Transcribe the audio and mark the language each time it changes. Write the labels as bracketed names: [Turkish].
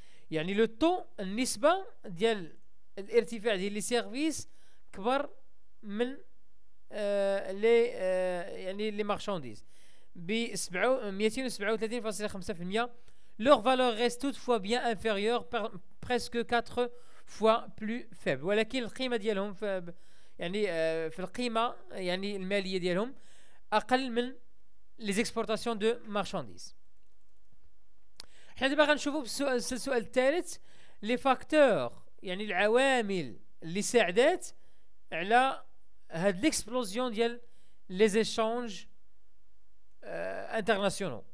[Arabic] يعني le taux, النسبه ديال الارتفاع ديال لي سيرفيس كبر من يعني لي مارشانديز ب 237.5%. [French] leur valeur reste toutefois bien inférieure, presque 4 fois plus faible. [Arabic] ولكن القيمه ديالهم يعني في القيمه يعني الماليه ديالهم اقل من لي زيكسبورطاسيون دو مارشانديز. حنا دابا غنشوفوا السؤال الثالث, لي فاكتور, يعني العوامل اللي ساعدت على هاد ليكسبلوزيون ديال لي زيشانج انترناسيونال.